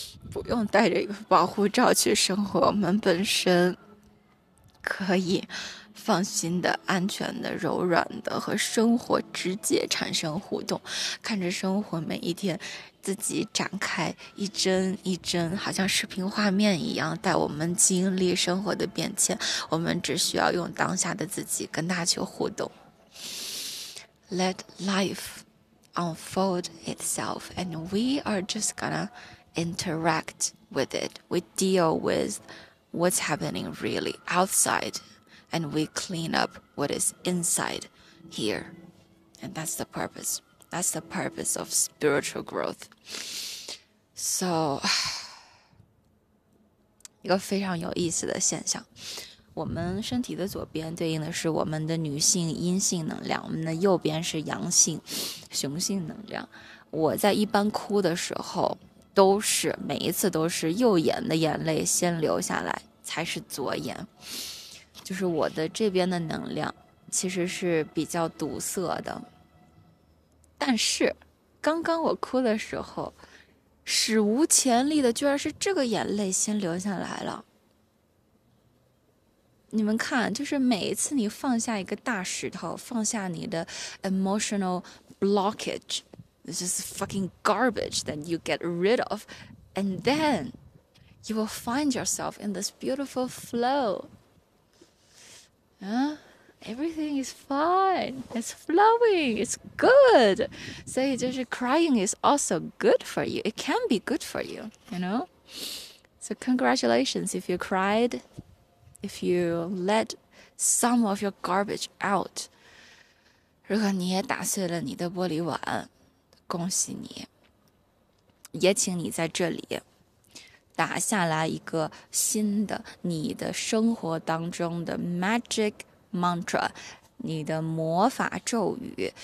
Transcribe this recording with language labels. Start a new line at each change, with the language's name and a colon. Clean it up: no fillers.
Chinese: 不用带着一个保护罩去生活，我们本身可以放心的、安全的、柔软的和生活直接产生互动，看着生活每一天自己展开一帧一帧，好像视频画面一样带我们经历生活的变迁，我们只需要用当下的自己跟它去互动。
English: Let life unfold itself and we are just gonna interact with it. We deal with what's happening really outsideAnd we clean up what is inside here. And that's the purpose. That's the purpose of spiritual growth. So,
Chinese: 一个非常有意思的现象。我们身体的左边对应的是我们的女性阴性能量，我们的右边是阳性雄性能量。我在一般哭的时候，都是每一次都是右眼的眼泪先流下来，才是左眼。就是我的这边的能量其实是比较堵塞的，但是刚刚我哭的时候史无前例的居然是这个眼泪先流下来了。你们看，就是每一次你放下一个大石头，放下你的
English: emotional blockage， This is fucking garbage that you get rid of and then you will find yourself in this beautiful flowEverything is fine. It's flowing. It's good.
Chinese: 所以就是
English: crying is also good for you. It can be good for you, you know? So congratulations if you cried, if you let some of your garbage out.
Chinese: 如果你也打碎了你的玻璃碗，恭喜你。也请你在这里打下来一个新的你的生活当中的
English: magic mantra，
Chinese: 你的魔法咒语。